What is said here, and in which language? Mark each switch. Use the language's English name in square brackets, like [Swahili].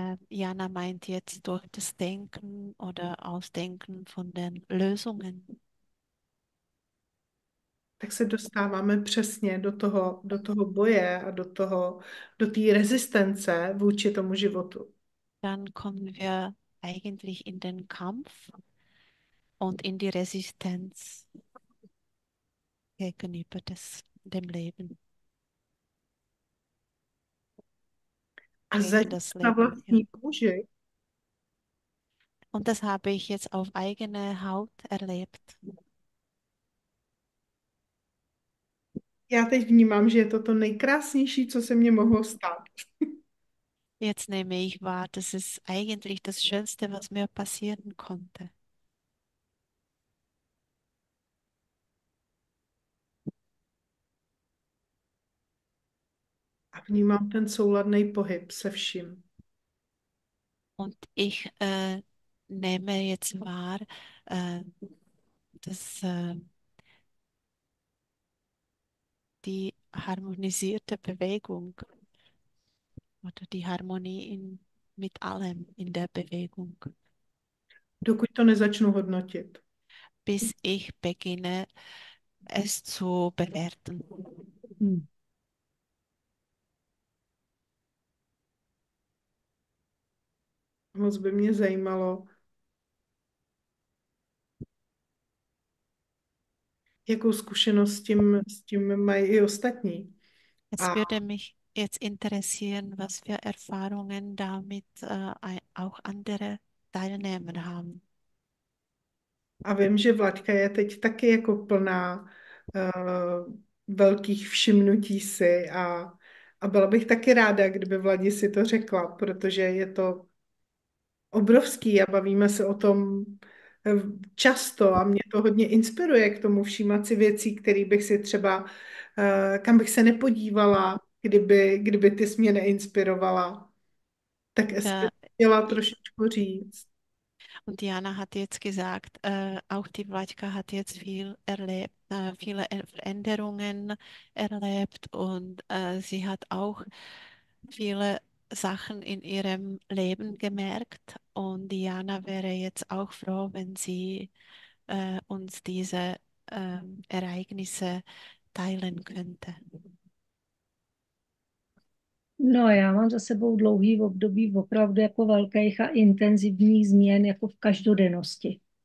[German] Jana meint jetzt durch das Denken oder Ausdenken von den Lösungen. [Czech] Tak se dostáváme přesně do toho boje a do té rezistence vůči tomu životu. [German] Dann kommen wir eigentlich in den Kampf. Und in die Resistenz gegenüber dem Leben. [Czech] A [German] Gegen [Czech] zajít [German] das [Czech] na [German] Leben, ja. [Czech] vlastní kůži. [German] Und das habe ich jetzt auf eigene Haut erlebt. [Czech] Já teď vnímám, že je to to nejkrásnější, co se mně mohlo stát. [German] Jetzt nehme ich wahr, das ist eigentlich das Schönste, was mir passieren konnte. [Czech] Vnímám ten souladný pohyb se vším. [German] Und ich nehme jetzt wahr, dass die harmonisierte Bewegung oder die Harmonie mit allem in der Bewegung. [Czech] Dokud to nezačnu hodnotit. [German] Bis ich beginne, es zu bewerten. [Czech] Moc by mě zajímalo, jakou zkušenost s tím mají i ostatní. [German] Es würde mich jetzt interessieren, was für Erfahrungen damit auch andere Teilnehmer haben. [Czech] A vím, že Vlaďka je teď taky jako plná velkých všimnutí si a byla bych taky ráda, kdyby Vladi si to řekla, protože je to obrovský a bavíme se o tom často a mě to hodně inspiruje k tomu všímat si věcí, které bych si třeba, kam bych se nepodívala, kdyby ty jsi mě neinspirovala. Tak jestli [German] Und [Czech] chtěla trošičku říct. [German] Jana hat jetzt gesagt, auch die Vladka hat jetzt viel erlebt, viele Veränderungen erlebt und sie hat auch viele Sachen in ihrem Leben gemerkt. Und Diana wäre jetzt auch froh, wenn sie uns diese Ereignisse teilen könnte. [Czech] No, já mám za sebou dlouhý období opravdu jako velkých a intenzivních změn jako v každodennosti.